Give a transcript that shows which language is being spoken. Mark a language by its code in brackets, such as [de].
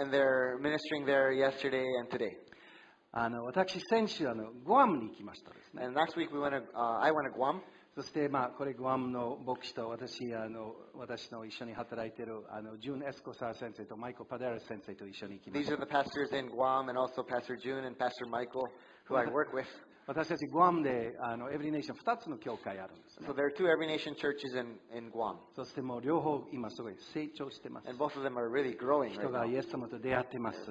[en] And they're ministering there yesterday and today. [ja] 私先週グアムに行きましたですね。 [en] And last week I went to Guam. [ja] そして、これグアムの牧師と私の一緒に働いているジューン・エスコサー先生とマイコ・パデラス先生と一緒に行きました。 [en] These are the pastors in Guam and also Pastor June and Pastor Michael who I work with. [ja] 私たちグアムでEvery Nation 2つの教会あるんです、ね。 [en] So there are two Every Nation churches in Guam. [ja] そしてもう両方今すごい成長してます。 [en] And both of them are really growing. [ja] 人がイエス様と出会ってます。